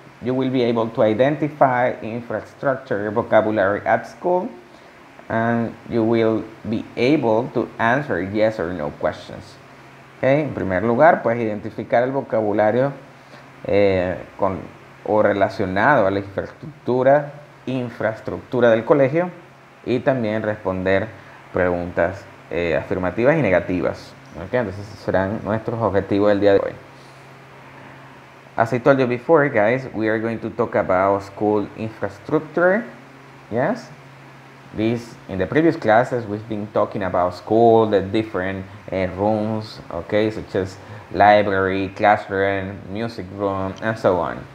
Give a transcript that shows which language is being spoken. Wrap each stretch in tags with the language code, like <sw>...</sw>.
<en>You will be able to identify infrastructure vocabulary at school, and you will be able to answer yes or no questions. Okay.</en> <es>En primer lugar, pues identificar el vocabulario con o relacionado a la infraestructura del colegio y también responder preguntas afirmativas y negativas. Okay. Entonces, esos serán nuestros objetivos del día de hoy.</es> <en>As I told you before, guys, we are going to talk about school infrastructure. Yes. This, in the previous classes, we've been talking about school, the different rooms, okay, such as library, classroom, music room, and so on.</en>